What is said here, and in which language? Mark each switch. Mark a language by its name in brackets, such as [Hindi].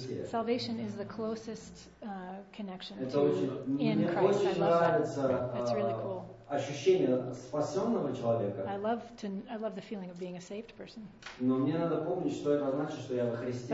[English] Salvation is the closest connection to in Christ. I love that. That's really cool. [Russian] Ощущение спасенного человека. [English] I love the feeling of being a saved person. [Russian] Но мне надо помнить, что это значит, что я во Христе.